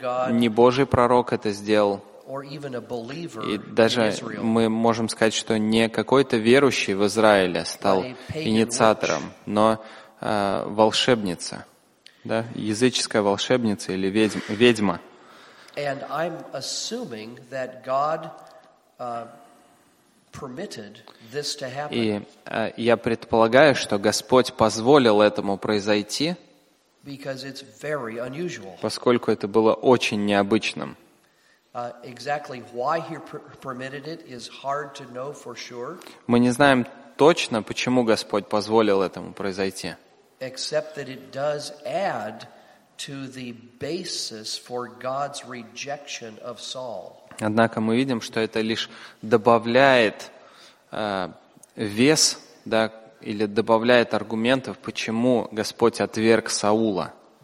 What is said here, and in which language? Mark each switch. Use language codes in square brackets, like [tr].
[ru] Не Божий пророк это сделал. И даже мы можем сказать, что не какой-то верующий в Израиле стал инициатором, но волшебница, да? Языческая волшебница или ведьма. [en] And I'm assuming that God permitted this to happen. [ru] И я предполагаю, что Господь позволил этому произойти, [en] because it's very unusual. [ru] Поскольку это было очень необычным. [en] Exactly why he permitted it is hard to know for sure. [ru] Мы не знаем точно, почему Господь позволил этому произойти. [en] Except that it does add to the basis for God's rejection of Saul. [ru] Однако мы видим, что это лишь добавляет вес, да, или добавляет аргументов, почему Господь отверг Саула.